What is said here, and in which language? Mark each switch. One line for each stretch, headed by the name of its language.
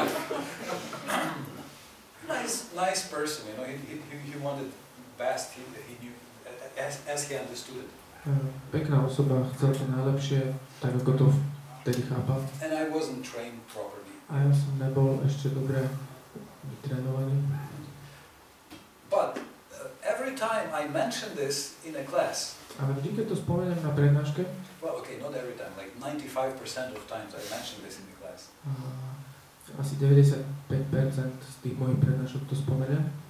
English: nice person, you know, he wanted best, he knew, as he understood it.
Slovak: Pekná osoba, chcel to najlepšie, tak ako to vtedy chápal.
English: And I wasn't trained properly.
Slovak: A ja som nebol ešte dobre vytrénovaný.
English: But every time I mention this in a class.
Slovak: Ale vždy, keď to spomeniem na prednáške.
English: Well, okay, not every time, like 95% of times I mention this in the class.
Slovak: Asi 95% z tých mojich prednášok to spomeniem.